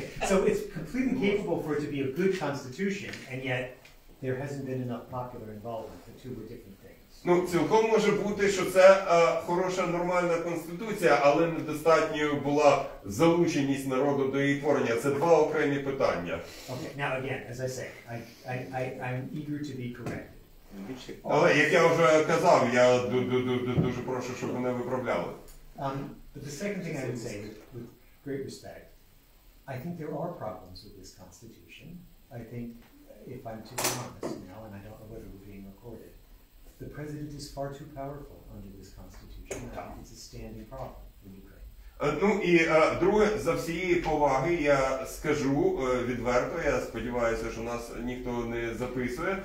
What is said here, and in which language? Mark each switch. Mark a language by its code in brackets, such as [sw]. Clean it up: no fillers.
[en] So it's completely capable for it to be a good constitution, and yet there hasn't been enough popular involvement. The two were different things. [uk] Ну, цілком може бути, що це хороша, нормальна конституція, але недостатньою була залученість народу до її творення. Це два окремі питання. [en] Okay, now again, as I say, I'm eager to be correct. [uk] Але, як я вже казав, я дуже прошу, щоб мене виправляли. [en] But the second thing I would say, with great respect, I think there are problems with this constitution. I think, if I'm to be honest now, and I don't know whether we're being recorded, the president is far too powerful under this constitution. I think it's a standing problem. [uk] Ну і друге, за всієї поваги я скажу відверто, я сподіваюся, що нас ніхто не записує.